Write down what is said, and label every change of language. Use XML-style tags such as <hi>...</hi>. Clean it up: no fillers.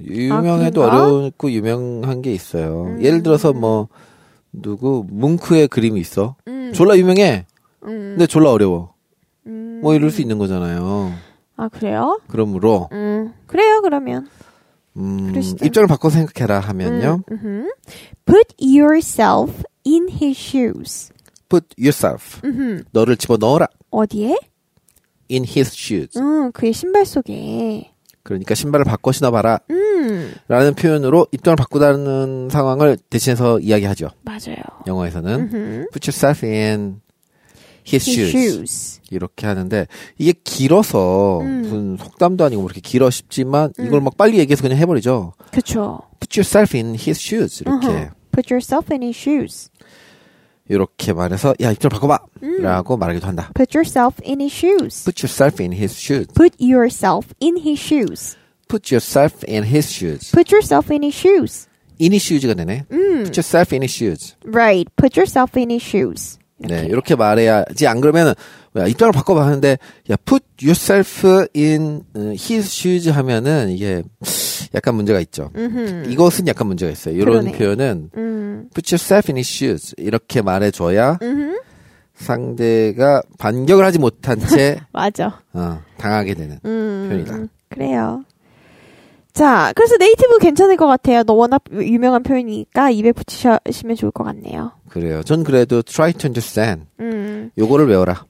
<ko>유명해도 아, 어렵고 유명한 게 있어요. 예를 들어서 뭐, 누구? 뭉크의 그림이 있어. 졸라 유명해. 근데 졸라 어려워. 뭐 이럴 수 있는 거잖아요. 아, 그래요? 그러므로. 그래요, 그러면. 입장을 바꿔 생각해라 하면요.</ko> <en>Put yourself in his shoes. Put yourself.</en> <ko>너를 집어 넣어라. 어디에?</ko> <en>In his shoes.</en> <ko>그의 신발 속에. 그러니까 신발을 바꿔 신어봐라. 라는 표현으로 입장을 바꾸다는 상황을 대신해서 이야기하죠. 맞아요. 영어에서는</ko> <en>put yourself in his shoes.</en> <ko>이렇게 하는데 이게 길어서 무슨 속담도 아니고 이렇게 길어 싶지만 이걸 막 빨리 얘기해서 그냥 해버리죠. 그렇죠.</ko> <en>Put yourself in his shoes.</en> <ko>이렇게.</ko> <en>Put yourself in his shoes.</en> <ko>이렇게 말해서 야 입장 바꿔봐. 라고 말하기도 한다.</ko> <en>Put yourself in his shoes. Put yourself in his shoes. Put yourself in his shoes. Put yourself in his shoes. Put yourself in his shoes. In his shoes가 되네. Put yourself in his shoes. Right. Put yourself in his shoes.</en> <ko>네, 이렇게 말해야지 안 그러면 야, 입장을 바꿔봐. 하는데, 야,</ko> <en>put yourself in his shoes</en> <ko>하면은, 이게, 약간 문제가 있죠. 음흠. 이것은 약간 문제가 있어요. 이런 그러네. 표현은,</ko> <en>put yourself in his shoes.</en> <ko>이렇게 말해줘야, 음흠. 상대가 반격을 하지 못한 채, 맞아. 어, 당하게 되는 표현이다. 그래요. 자, 그래서 네이티브 괜찮을 것 같아요. 너 워낙 유명한 표현이니까 입에 붙이시면 좋을 것 같네요. 그래요. 전 그래도</ko> <en>try to understand.</en> <ko>요거를 외워라.</ko>